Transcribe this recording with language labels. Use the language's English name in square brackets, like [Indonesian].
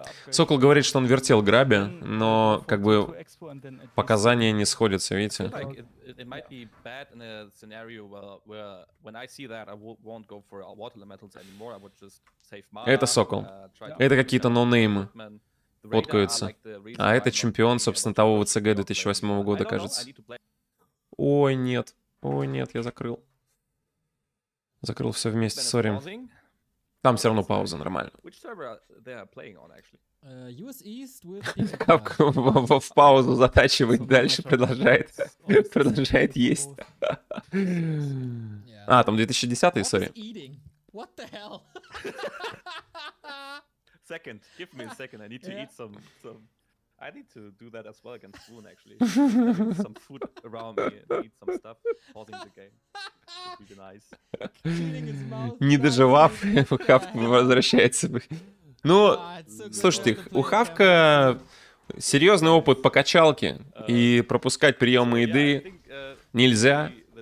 [Russian] Сокол говорит, что он вертел Граби, но как бы показания не сходятся, видите? [English] It might be bad in a scenario where when I see that I won't go for water elementals anymore. I would just save mana. [Russian] Это сокол. Это какие-то ноунеймы. Фоткаются. А это чемпион, собственно, того ВЦГ 2008 года, кажется. Ой, нет. Ой, нет, я закрыл. Закрыл все вместе, сори. Там все равно пауза, нормально. [English] Which server they are playing on, actually? US East with... [Russian] в паузу затачивает, дальше продолжает, продолжает есть. А, там 2010-й, сори. [English] What the hell? Second, give me a second, I need to eat some... I need to do that as well against Swoon, actually. Some food around me, eat some stuff, pausing the game. Would be nice. [Russian] Не доживав, Хавка возвращается. Ну, слушайте, у Хавка серьезный опыт по качалке, и пропускать приемы еды нельзя.